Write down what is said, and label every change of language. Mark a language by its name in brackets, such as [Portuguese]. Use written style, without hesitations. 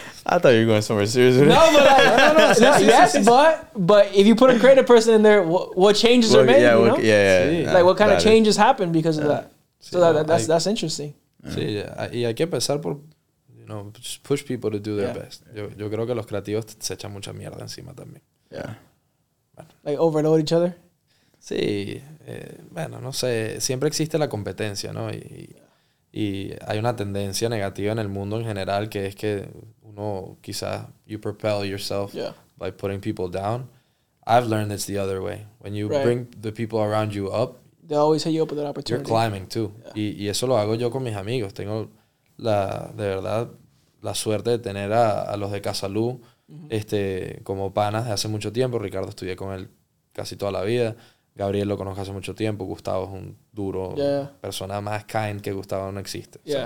[English] I thought you were going somewhere serious. No, but like, no. Yes, but if you put a creative person in there, what changes are made? Yeah, you know? Yeah. Like, what kind of changes happen because of that? So that's interesting. Sí, yeah. [Spanish] Y hay que empezar por, [English] you know, just push people to do their best. [Spanish] Yo creo que los creativos se echan mucha mierda encima también. [English] Yeah. Bueno. Like, overload each other? [Spanish] Sí. Bueno, no sé. Siempre existe la competencia, ¿no? Y hay una tendencia negativa en el mundo en general que es que uno quizás [English] you propel yourself by putting people down. I've learned it's the other way. When you bring the people around you up, they always hit you up with an opportunity. You're climbing too. Yeah. [Spanish] Y eso lo hago yo con mis amigos. Tengo la suerte de tener a los de Casalú mm-hmm. Como panas de hace mucho tiempo. Ricardo estudié con él casi toda la vida. Gabriel lo conozco hace mucho tiempo. Gustavo es un duro, persona más kind que Gustavo no existe.